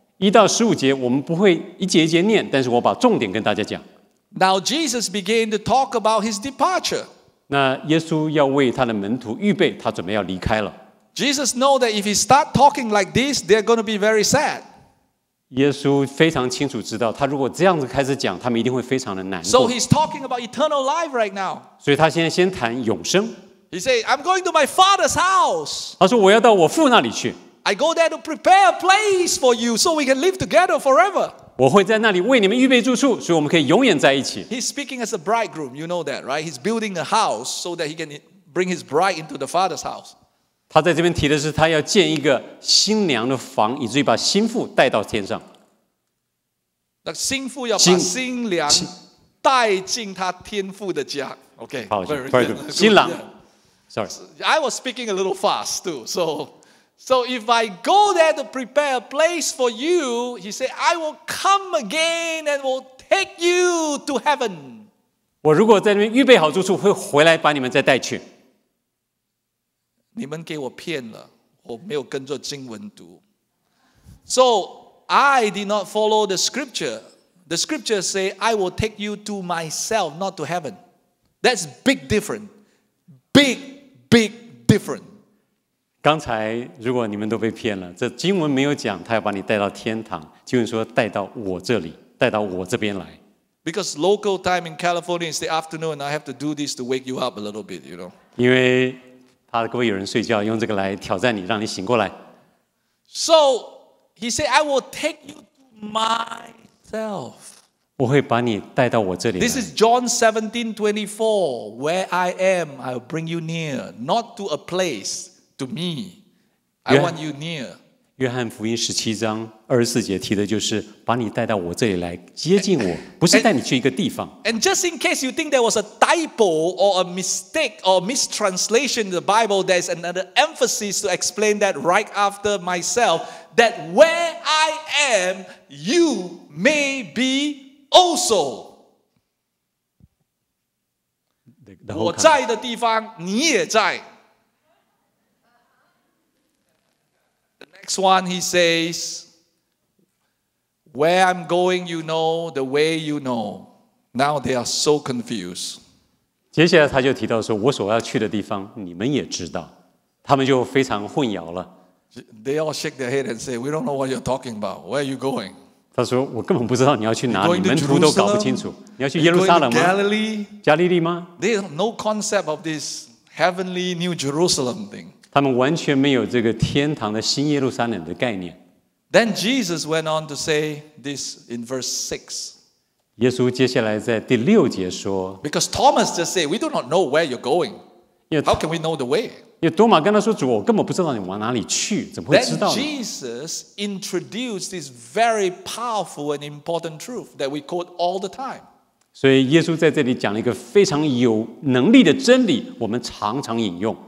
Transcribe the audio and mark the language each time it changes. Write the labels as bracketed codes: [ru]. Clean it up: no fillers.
[zh] 一到十五节我们不会一节一节念但是我把重点跟大家讲 [en] Now Jesus began to talk about his departure. [zh] 那耶稣要为他的门徒预备他准备要离开了 [en] Jesus knows that if he starts talking like this, they're going to be very sad. [zh] 耶稣非常清楚知道他如果这样子开始讲他们一定会非常的难过 [en] So he's talking about eternal life right now [zh] 所以他现在先谈永生 [en] He said I'm going to my father's house [zh] 他说我要到我父那里去 [en] I go there to prepare a place for you so we can live together forever [zh] 我会在那里为你们预备住处所以我们可以永远在一起 [en] He's speaking as a bridegroom you know that right He's building a house so that he can bring his bride into the father's house [zh] 他在这边提的是他要建一个新娘的房以至于把心腹带到天上心腹要把新娘带进他天父的家 OK 好 [en] Pardon [zh] 新郎 [en] Sorry I was speaking a little fast too So if I go there to prepare a place for you He said I will come again and will take you to heaven [zh] 我如果在那边预备好住处会回来把你们再带去你们给我骗了，我没有跟着经文读。 [en] So I did not follow the scripture. The scripture say, "I will take you to myself, not to heaven." That's big different, big, big different. [zh] 刚才如果你们都被骗了，这经文没有讲他要把你带到天堂，经文说带到我这里，带到我这边来。 [en] Because local time in California is the afternoon, I have to do this to wake you up a little bit, you know. [zh] 因为怕各位有人睡觉用这个来挑战你让你醒过来 [en] So he said I will take you to myself [zh] 我会把你带到我这里来 [en] This is John 17:24 Where I am I will bring you near Not to a place To me I want you near [zh] 约翰福音十七章二十四节提的就是把你带到我这里来接近我不是带你去一个地方 [en] and just in case you think there was a typo or a mistake or mistranslation in the Bible there's another emphasis to explain that right after myself that where I am you may be also [zh] 我在的地方你也在。 [en] The next one he says, where I'm going you know, the way you know. Now they are so confused. [zh] 接下来他就提到说我所要去的地方你们也知道。他们就非常混淆了。 [en] They all shake their head and say, we don't know what you're talking about. Where are you going? [zh] 他说我根本不知道你要去哪里，门徒都搞不清楚。你要去耶路撒冷吗？ [en] Galilee? [zh] 加利利吗？ [en] They have no concept of this heavenly new Jerusalem thing. [zh] 他们完全没有这个天堂的新耶路撒冷的概念。 [en] Then Jesus went on to say this in verse 6. [zh] 耶稣接下来在第六节说， [en] Because Thomas just said, we do not know where you're going. How can we know the way? [zh] 因为多马跟他说主我根本不知道你往哪里去怎么会知道呢 [en] Jesus introduced this very powerful and important truth that we quote all the time. [zh] 所以耶稣在这里讲了一个非常有能力的真理我们常常引用